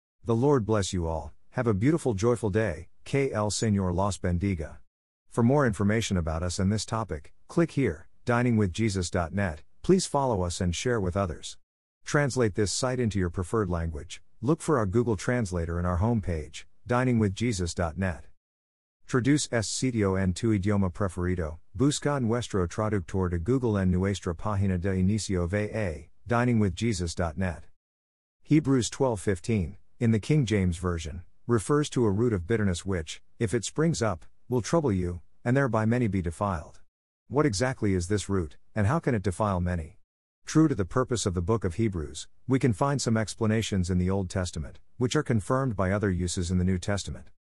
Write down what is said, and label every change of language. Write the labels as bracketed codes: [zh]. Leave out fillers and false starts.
[en] The Lord bless you all, have a beautiful, joyful day, KL [es] Señor los bendiga. [en] For more information about us and this topic, click here, diningwithjesus.net, please follow us and share with others. Translate this site into your preferred language, look for our Google Translator in our homepage, diningwithjesus.net. [es] Traduce este sitio en tu idioma preferido, busca nuestro traductor de Google en nuestra página de inicio VA, diningwithjesus.net. [en] Hebrews 12:15, in the King James Version, refers to a root of bitterness which, if it springs up, will trouble you, and thereby many be defiled. What exactly is this root, and how can it defile many? True to the purpose of the book of Hebrews, we can find some explanations in the Old Testament, which are confirmed by other uses in the New Testament.